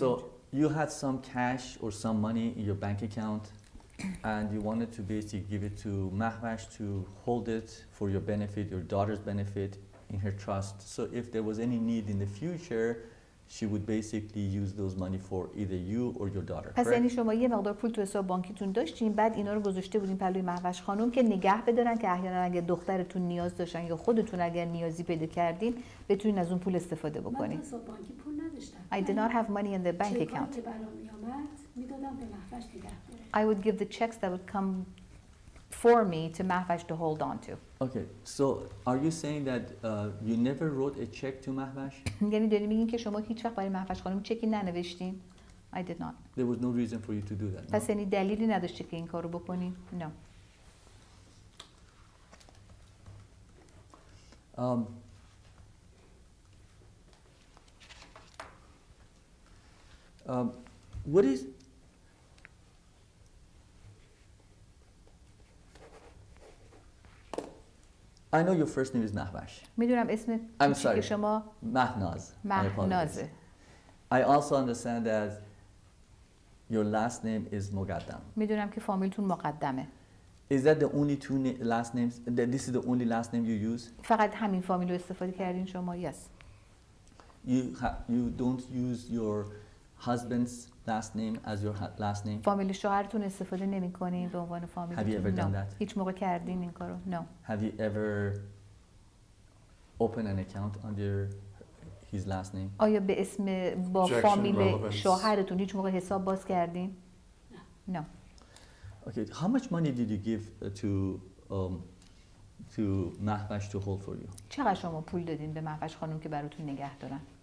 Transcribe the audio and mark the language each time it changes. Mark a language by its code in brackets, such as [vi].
[en] So you had some cash or some money in your bank account and you wanted to basically give it to Mahvash to hold it for your benefit, your daughter's benefit in her trust. So if there was any need in the future, she would basically use those money for either you or your daughter. [fa] پس یعنی شما یه مقدار پول تو حساب بانکیتون داشتین بعد اینا رو گذاشته بودین پلوی مهوش خانم که نگه بدارن که احیانا اگه دخترتون نیاز داشتن یا خودتون اگر نیازی پیدا کردین بتونین از اون پول استفاده بکنین. من تو حساب بانکی پول نداشتم. [en] I did not have money in the bank account. [fa] چکی که برام میومد میدادم به مهوش نگه داره. [en] I would give the checks that would come for me to Mahvash to hold on to. Okay, so are you saying that you never wrote a check to Mahvash? [fa] یعنی دارین میگین که شما هیچ وقت برای مهوش خانم چکی ننوشتین؟ [en] I did not. There was no reason for you to do that. [fa] پس یعنی دلیلی نداشتی که این کارو بکنی؟ [en] No. What is I know your first name is Mahvash. [fa] میدونم اسم [en] I'm sorry. [fa] شما مهناز. مهناز. [en] I also understand that your last name is Moghaddam. [fa] میدونم که فامیلتون مقدمه. [en] Is that the only two last names? This is the only last name you use? [fa] فقط همین فامیل رو استفاده کردین شما؟ [en] Yes. You don't use your husband's last name as your last name. [fa] فامیل شوهرتون استفاده نمی‌کنی به عنوان فامیل. [en] Have you ever done that? [fa] هیچ موقع کردین این کارو؟ [en] No. Have you ever opened an account under his last name? [fa] آیا به اسم با فامیل شوهرتون هیچ موقع حساب باز کردین؟ [en] No. Okay, how much money did you give to Mahvash to hold for you? [fa] چقدر شما پول دادین به مهوش خانم که براتون نگه دارن؟